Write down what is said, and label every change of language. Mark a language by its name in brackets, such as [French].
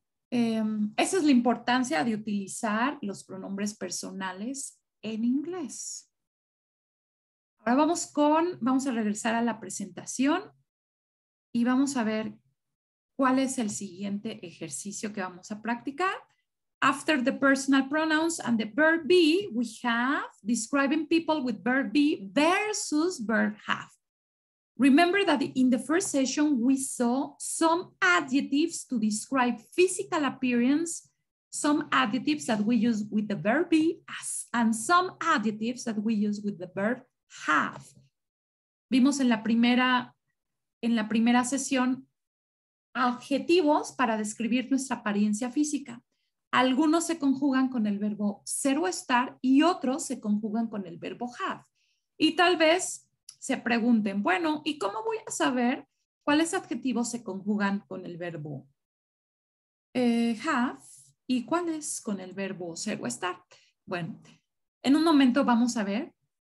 [Spanish] Esa es la importancia de utilizar los pronombres personales en inglés. Ahora vamos a regresar a la presentación y vamos a ver cuál es el siguiente ejercicio que vamos a practicar. [English] After the personal pronouns and the verb be, we have describing people with verb be versus verb have. Remember that in the first session, we saw some adjectives to describe physical appearance, some adjectives that we use with the verb be as, and some adjectives that we use with the verb have. [Spanish] Vimos en la primera sesión adjetivos para describir nuestra apariencia física. Algunos se conjugan con el verbo ser o estar y otros se conjugan con el verbo have. Y tal vez se pregunten, bueno, ¿y cómo voy a saber cuáles adjetivos se conjugan con el verbo have y cuáles con el verbo ser o estar? Bueno, en un momento vamos a ver.